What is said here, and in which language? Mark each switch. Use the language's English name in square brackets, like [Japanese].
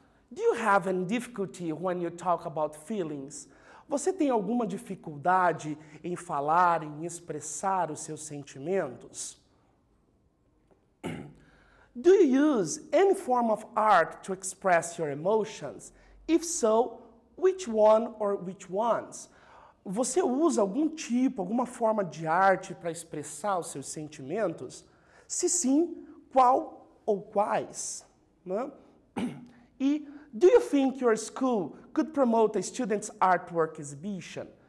[English] Do you have any difficulty when you talk about feelings? [Portuguese] Você tem alguma dificuldade em falar, em expressar os seus sentimentos? [English] Do you use any form of art to express your emotions? If so, which one or which ones? [Portuguese] Você usa algum tipo, alguma forma de arte para expressar os seus sentimentos? Se sim, qual ou quais? Né? [English] E do you think your school could promote a student's artwork exhibition?